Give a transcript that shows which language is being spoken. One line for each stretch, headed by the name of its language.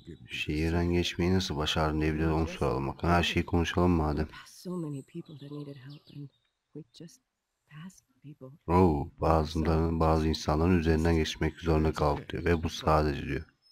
Turkish: Şehirden geçmeyi nasıl başardın diye bir de onu soralım. Bakın her şeyi konuşalım madem.
English: So many people that needed help and we just passed people.
Turkish: Oh, bazı insanların üzerinden geçmek zorunda kaldık diyor ve bu sadece diyor.